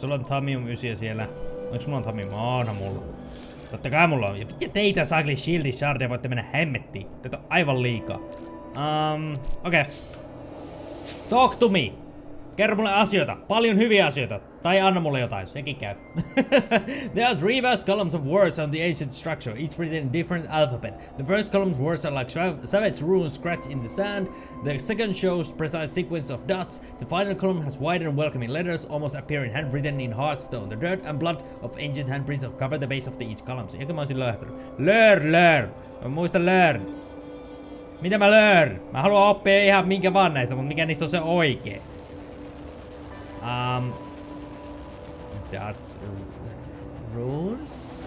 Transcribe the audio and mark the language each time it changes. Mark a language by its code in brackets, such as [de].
[fi] Sulla on Thamium 9 siellä. Onks mulla on Thamium? Onhan mulla. Totta kai mulla on. Ja teitä sakli shieldi shardia voitte mennä hemmettiin. Teitä on aivan liikaa. Okei. [en] Okay. Talk to me. [fi] Kerro mulle asioita. Paljon hyviä asioita. Tai anna mulle jotain, sekin käy. [en] There are three vast columns of words on the ancient structure, each written in different alphabet. The first column's words are like savage runes scratched in the sand. The second shows precise sequence of dots. The final column has wide and welcoming letters, almost appearing handwritten in hearthstone. The dirt and blood of ancient handprints have covered the base of each column. [fi] Se, joka mä oisin löytänyt. Learn. Mä muistan learn. Mitä mä learn? Mä haluan oppia ihan minkä vaan näistä, mutta mikä niistä on se oikee? [en] That's runes.